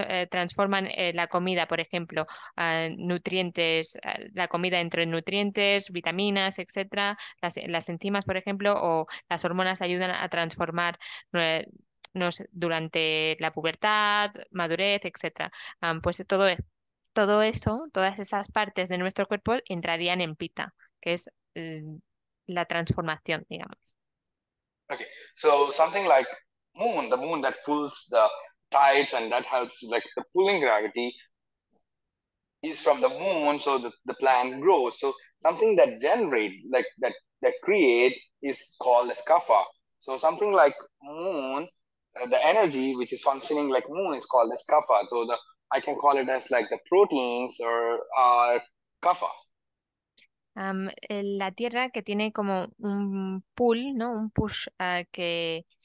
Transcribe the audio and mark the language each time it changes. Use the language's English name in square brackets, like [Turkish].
[Spanish] Transforman la comida, por ejemplo, nutrientes, la comida entre nutrientes, vitaminas, etcétera, las enzimas, por ejemplo, o las hormonas ayudan a transformar durante la pubertad, madurez, etcétera. Pues todo eso, todas esas partes de nuestro cuerpo entrarían en pitta, que es la transformación, digamos. [English] Okay, so something like moon, the moon that pulls the tides and that helps like the pulling gravity is from the moon, so the plant grows. So something that generate like that create is called as kapha. So something like moon, the energy which is functioning like moon is called as kapha. So the I can call it as like the proteins or are kapha. [Spanish] La tierra que tiene como un pull, ¿no? Un push que